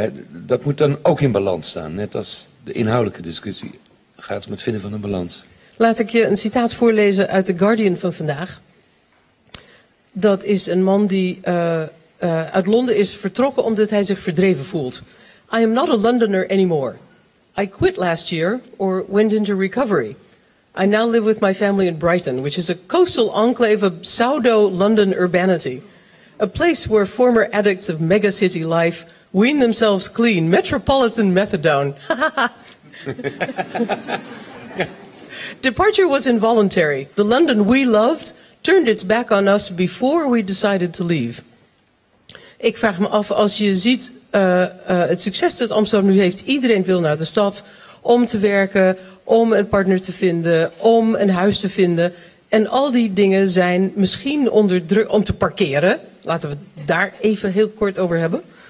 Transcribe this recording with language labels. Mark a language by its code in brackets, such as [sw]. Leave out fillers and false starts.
[nl] Dat moet dan ook in balans staan, net als de inhoudelijke discussie. Gaat om het vinden van een balans. Laat ik je een citaat voorlezen uit The Guardian van vandaag. Dat is een man die uit Londen is vertrokken omdat hij zich verdreven voelt. [en] I am not a Londoner anymore. I quit last year or went into recovery. I now live with my family in Brighton, which is a coastal enclave of pseudo-London urbanity. A place where former addicts of megacity life wean themselves clean. Metropolitan methadone. Departure was involuntary. The London we loved turned its back on us before we decided to leave. [nl] Ik vraag me af, als je ziet het succes dat Amsterdam nu heeft. Iedereen wil naar de stad om te werken, om een partner te vinden, om een huis te vinden. En al die dingen zijn misschien onder druk om te parkeren. Laten we daar even heel kort over hebben.